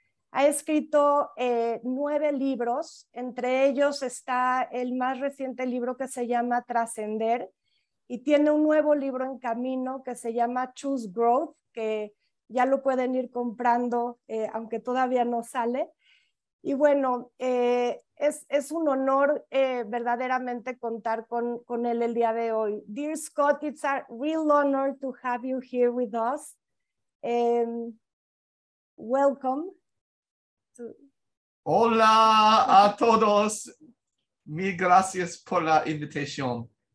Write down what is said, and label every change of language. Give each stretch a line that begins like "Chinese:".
Spanish: Ha escrito 9 libros, entre ellos está el más reciente libro que se llama Trascender, y tiene un nuevo libro en camino que se llama Choose Growth, que ya lo pueden ir comprando, aunque todavía no sale. Y bueno, es un honor verdaderamente contar con él el día de hoy.
English: Dear Scott, it's a real honor to have you here with us. Welcome.
Spanish: Hola a todos. Mil gracias por la invitación.